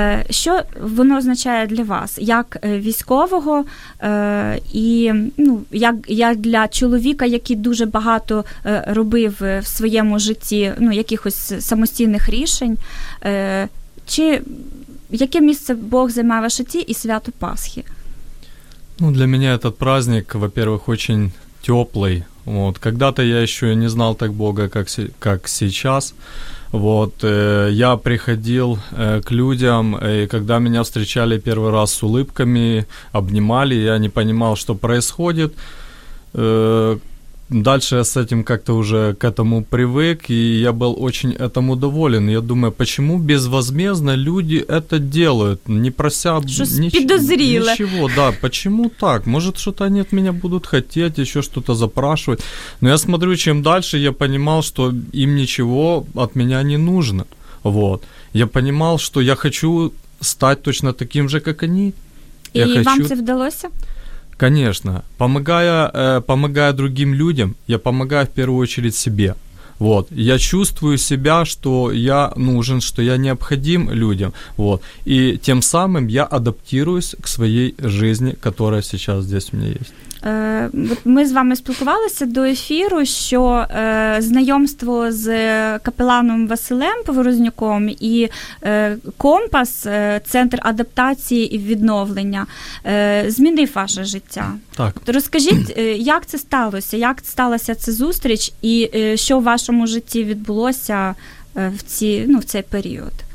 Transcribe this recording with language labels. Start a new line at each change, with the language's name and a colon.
Ukrainian: Що воно означає для вас, як військового і, ну, як для чоловіка, який дуже багато робив в своєму житті, ну, якихось самостійних рішень, чи яке місце Бог займає в вашому житті і свято Пасхи? Ну, для мене цей праздник, во-первых, дуже теплий.
Russian: Вот, когда-то я еще не знал так Бога, как сейчас. Вот, я приходил к людям, и когда меня встречали первый раз с улыбками, обнимали, я не понимал, что происходит. Дальше я с этим как-то уже к этому привык, и я был очень этому доволен. Я думаю, почему безвозмездно люди это делают, не прося ничего. Да, почему так? Может, что-то они от меня будут хотеть, еще что-то запрашивать. Но я смотрю, чем дальше, я понимал, что им ничего от меня не нужно. Вот. Я понимал, что я хочу стать точно таким же, как они. И я вам хочу... это удалось? Конечно. Помогая другим людям, я помогаю в первую очередь себе. Вот. Я чувствую себя, что я нужен, что я необходим людям. Вот. И тем самым я адаптируюсь к своей жизни, которая сейчас здесь у меня есть.
Ukrainian: Ми з вами спілкувалися до ефіру, що знайомство з капеланом Василем Поворознюком і Компас, центр адаптації і відновлення, змінив ваше життя. Так. То розкажіть, як це сталося, як сталася ця зустріч і що в вашому житті відбулося в цей період?